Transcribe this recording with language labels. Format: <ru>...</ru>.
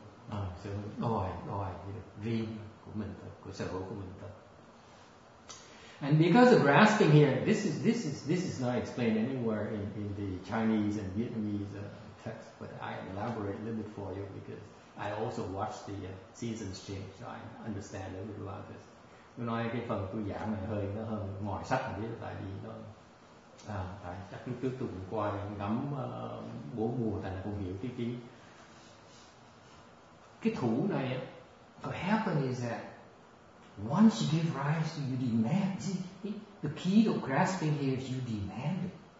<vi>À, sự đòi riêng của mình thôi, của sở hữu của mình thôi.</vi> <en>And because of grasping here, this is not explained anywhere in the Chinese and Vietnamese text, but I elaborate a little bit for you because I also watch the seasons change, so I understand a little about this.</en> <vi>Tôi nói cái phần tôi giảng này hơi nó hơn ngoài sách một tí, tại vì nó tại chắc cứ tôi cũng coi ngắm bốn mùa tại là cũng hiểu tí. Cái thủ này á,</vi> <en>what happens is that once you give rise to you demand, the key of grasping here is you demand it.</en>